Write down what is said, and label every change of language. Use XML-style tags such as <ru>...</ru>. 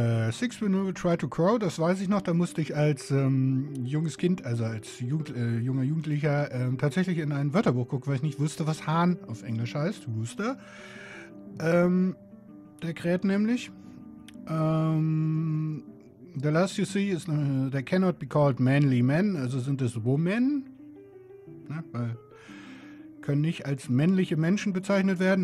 <en>Six will never try to crow,</en> <de>das weiß ich noch. Da musste ich als junges Kind, also als junger Jugendlicher, tatsächlich in ein Wörterbuch gucken, weil ich nicht wusste, was Hahn auf Englisch heißt.</de> <en>Rooster.</en> <de>Der kräht nämlich.</de> <en>The last you see is they cannot be called manly men,</en> <de>also sind es</de> <en>women.</en> <de>Ne? Weil können nicht als männliche Menschen bezeichnet werden.</de>